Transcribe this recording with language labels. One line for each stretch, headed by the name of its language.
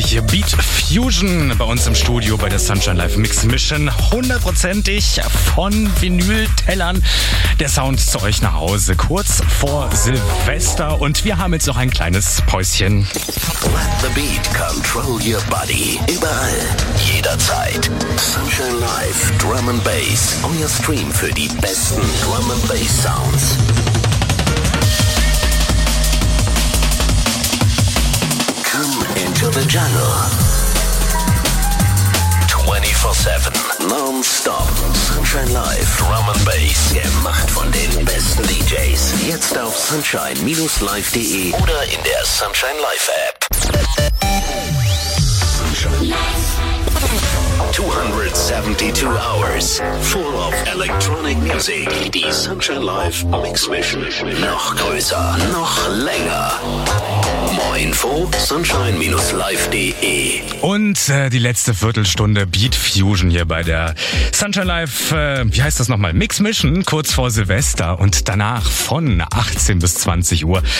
German: Beat Fusion bei uns im Studio bei der Sunshine Live Mix Mission. Hundertprozentig von Vinyltellern der Sound zu euch nach Hause, kurz vor Silvester. Und wir haben jetzt noch ein kleines Päuschen.
English: Let the beat control your body.
German: Überall, jederzeit. Sunshine Live Drum and Bass. Euer Stream für die besten Drum and Bass Sounds.
English: The jungle 24/7 non-stop Sunshine Live Drum and Bass,
German: gemacht von den besten DJs. Jetzt auf sunshine-live.de oder in der Sunshine Live App. Sunshine.
English: 272 hours full of electronic music.
German: Die Sunshine Live Mix Mission. Noch größer, noch länger.
English: More info, sunshine-live.de.
German: Und die letzte Viertelstunde Beat Fusion hier bei der Sunshine Live, wie heißt das nochmal? Mix Mission, kurz vor Silvester und danach von 18 bis 20 Uhr.